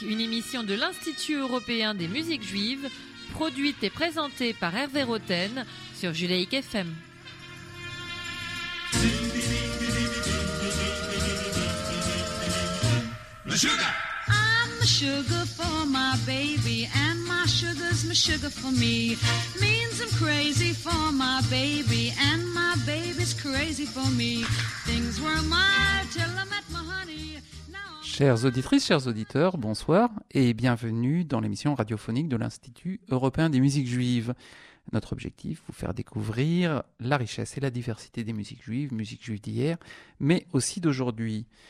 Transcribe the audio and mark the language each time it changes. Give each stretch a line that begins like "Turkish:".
French: Une émission de l'Institut européen des musiques juives, produite et présentée par Hervé Rotten sur Judaïk FM.
English: I'm the sugar for my baby, and my sugar's my sugar for me. Means I'm crazy for my baby, and my baby's crazy for me. Things were mild till I met my honey.
French: Chères auditrices, chers auditeurs, bonsoir et bienvenue dans l'émission radiophonique de l'Institut européen des musiques juives. Notre objectif, vous faire découvrir la richesse et la diversité des musiques juives d'hier, mais aussi d'aujourd'hui.